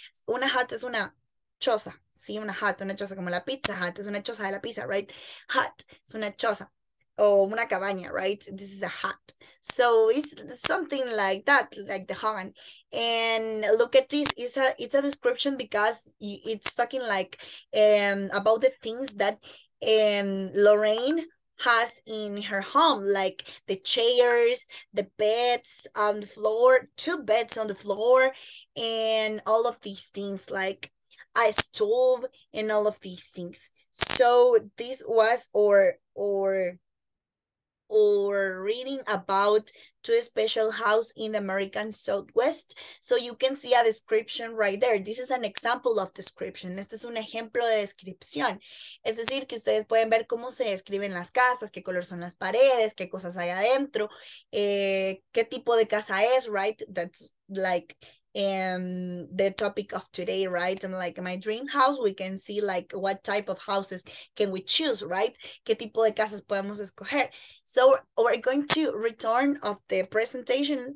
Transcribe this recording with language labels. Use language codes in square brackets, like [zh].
[es] Una hut es una choza, sí, una choza como la pizza hut, es una choza de la pizza, right? Hut es una choza. Oh, una cabaña, right? [en] This is a hut. So it's something like that, like the hogan. And look at this. It's a description because it's talking like about the things that Lorraine has in her home, like the chairs, the beds on the floor, two beds on the floor, and all of these things, like a stove and all of these things. So this was or reading about two special house in the American Southwest. So you can see a description right there. This is an example of description. [es] Este es un ejemplo de descripción. Es decir, que ustedes pueden ver cómo se describen las casas, qué color son las paredes, qué cosas hay adentro, qué tipo de casa es, right? [en] That's like the topic of today, right? I'm like, my dream house, we can see like what type of houses can we choose, right? [es] ¿Qué tipo de casas podemos escoger? [en] So we're going to return of the presentation.